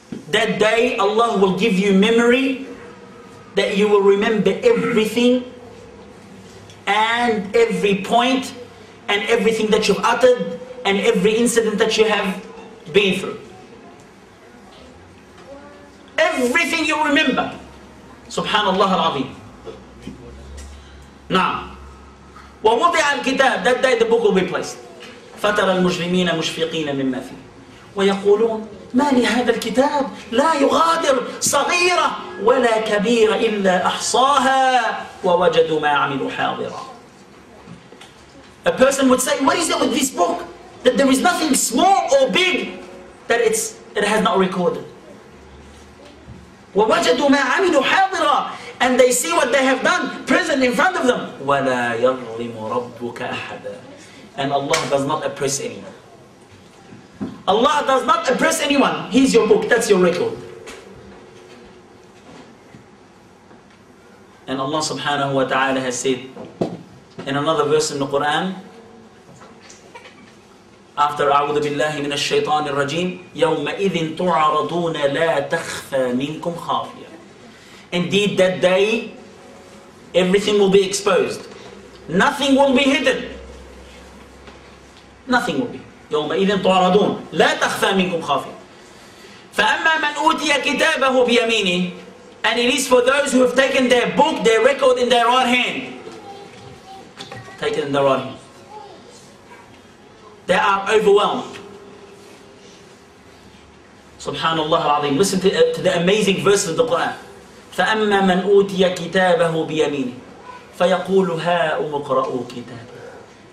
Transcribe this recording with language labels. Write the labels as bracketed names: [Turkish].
[English] That day, Allah will give you memory that you will remember everything and every point and everything that you've uttered and every incident that you have been through. Everything you remember. [Arabic] Subhanallah al-Azim. [English] Now, [Arabic] وَوُضِعَ الْكِتَابِ. [English] That day the book will be placed. [Arabic] فَتَرَى الْمُجْرِمِينَ مُشْفِقِينَ مِمَّا فِيهِ. ويقولون ما لهذا الكتاب لا يغادر صغيرة ولا كبيرة إلا أحصاها ووجدوا ما عملوا حاضرا. [English] A person would say, what is it with this book? That there is nothing small or big that it has not recorded. [Arabic] ووجدوا ما عملوا حاضرا. [English] And they see what they have done present in front of them. [Arabic] ولا يظلم ربك أحدا. [English] And Allah does not oppress anyone. Allah does not oppress anyone. He's your book. That's your record. And Allah subhanahu wa ta'ala has said in another verse in the Quran, after [Arabic] أعوذ بالله من الشيطان الرجيم يومئذ تعرضون لا تخفى منكم خافية. [English] Indeed, that day, everything will be exposed. Nothing will be hidden. Nothing will be. [Arabic] يومئذ تعرضون لا تخفى منكم خافية. فأما من أوتي كتابه بيمينه. [English] And it is for those who have taken their book, their record in their right hand. Taken in their right hand. They are overwhelmed. Subhanallah al-Azim. Listen to the amazing verse of the Quran. [Arabic] فَأَمَّا مَنْ أُوْتِيَ كِتَابَهُ بِيَمِينِهِ فَيَقُولُ هَا أُمُقْرَأُوا كِتَابَهُ.